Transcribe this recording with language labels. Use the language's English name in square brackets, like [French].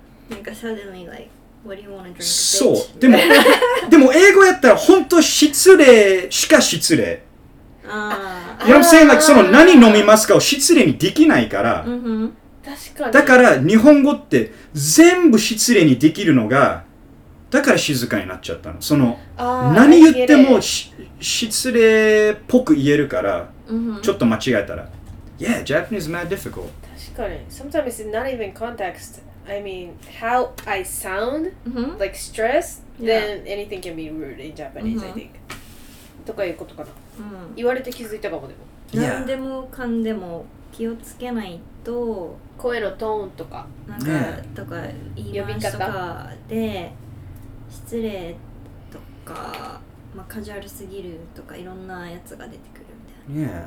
[Japanese] なんか、 [English] suddenly, like、what do you want to drink? [Japanese] そう。でも、英語やったら、ほんと失礼しか失礼。 [English] You know what I'm saying? [Japanese] その何飲みますかを失礼にできないから、うん、確かに。だから日本語って全部失礼にできるのが、だから静かになっちゃったの。その何言っても失礼っぽく言えるから、うん、ちょっと間違えたら、 [English] Yeah, Japanese is mad difficult. [Japanese] 確かに。 [English] Sometimes it's not even context. I mean, how I sound,、 [Japanese] うん、 [English] like stress,、yeah. then anything can be rude in Japanese,、うん、I think. [Japanese] とかいうことかな。うん、言われて気づいたかもでも、 [English] yeah. [Japanese] 何でもかんでも気をつけないと声のトーンとかなんか、yeah. とか言い回しとかで失礼とか、まあ、カジュアルすぎるとかいろんなやつが出てくるみたいな、